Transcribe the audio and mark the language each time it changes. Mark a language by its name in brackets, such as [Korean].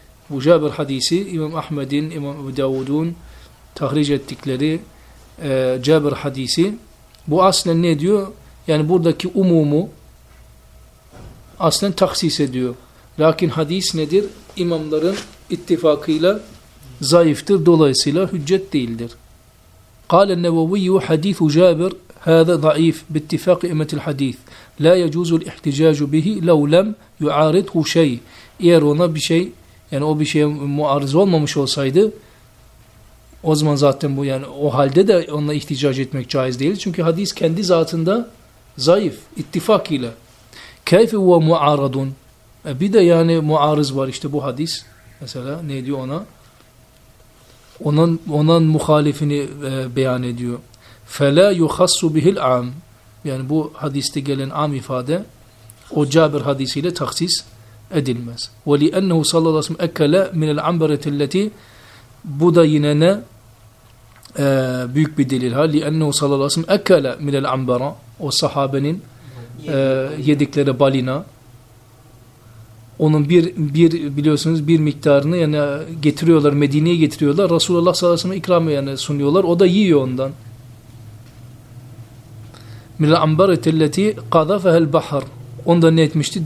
[Turkish] Bu Cabir hadisi İmam Ahmed'in, İmam Ebu Davud'un tahric ettikleri Cabir hadisi. Bu aslen ne diyor? Yani buradaki umumu aslen taksis ediyor. Lakin hadis nedir? İmamların ittifakıyla zayıftır. Dolayısıyla hüccet değildir. [Arabic] قال النووي حديث جابر هذا ضعيف باتفاق أئمة الحديث لا يجوز الاحتجاج به لو لم يعارضه شيء. [Turkish] Eğer ona bir şey yani o bir şeye muarız olmamış olsaydı o zaman zaten bu yani o halde de onunla ihticac etmek caiz değil. Çünkü hadis kendi zatında zayıf, ittifak ile. [Arabic] كَيْفِ هُوَ مُعَارَضٌ [Turkish] Bir de yani muarız var işte bu hadis. Mesela ne diyor ona? Onun muhalifini beyan ediyor. [Arabic] فَلَا يُخَصُّ بِهِ الْعَامِ [Turkish] Yani bu hadiste gelen am ifade o Cabir hadisiyle taksis edilmez. [Arabic] وَلِأَنَّهُ صَلَّى اللّٰهُ عَلَيْهِ وَسَلَّمَ اَكَّلَ مِنَ الْعَنْبَرَةِ الَّتِي [Turkish] Bu da yine ne? Büyük bir delil. [Arabic] لِأَنَّهُ صَلَّى اللّٰهُ عَلَيْهِ وَسَلَّمَ اَكَّلَ مِنَ الْعَنْبَرَةِ [Turkish] O sahabenin yedikleri balina. Onun bir biliyorsunuz bir miktarını yani getiriyorlar, Medine'ye getiriyorlar. Resulullah sallallahu aleyhi ve sellem ikramı yani sunuyorlar. O da yiyor ondan. [Arabic] مِنَ الْعَنْبَرَةِ الَّتِي قَذَفَهَ الْبَحَرِ [Turkish] Onu da ne etmişti?